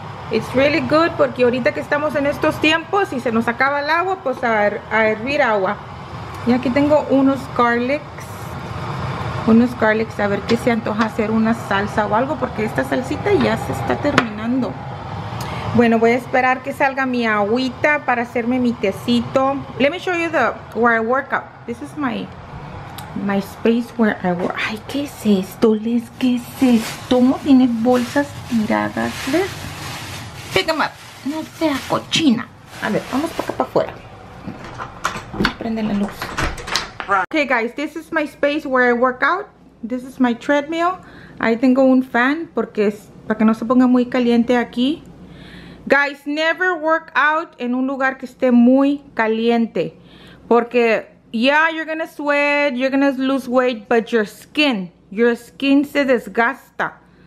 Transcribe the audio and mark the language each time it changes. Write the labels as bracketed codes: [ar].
[en] It's really good [es] porque ahorita que estamos en estos tiempos y se nos acaba el agua, pues a hervir agua. Y aquí tengo unos garlics, a ver qué se antoja hacer una salsa o algo, porque esta salsita ya se está terminando. Bueno, voy a esperar que salga mi agüita para hacerme mi tecito. [en] Let me show you where I work out. This is my space where I work. [es] Ay, ¿qué es esto, Les? ¿Qué es esto? ¿Cómo tiene bolsas tiradas, Les? [en] Pick them up. [es] No sea cochina. A ver, vamos para acá para afuera. Prende la luz. [en] Okay, guys, this is my space where I work out. This is my treadmill. [es] Ahí tengo un fan porque es para que no se ponga muy caliente aquí. [en] Guys, never work out [es] en un lugar que esté muy caliente. [en] Porque, yeah, you're gonna sweat, you're gonna lose weight, but your skin [es] se desgasta.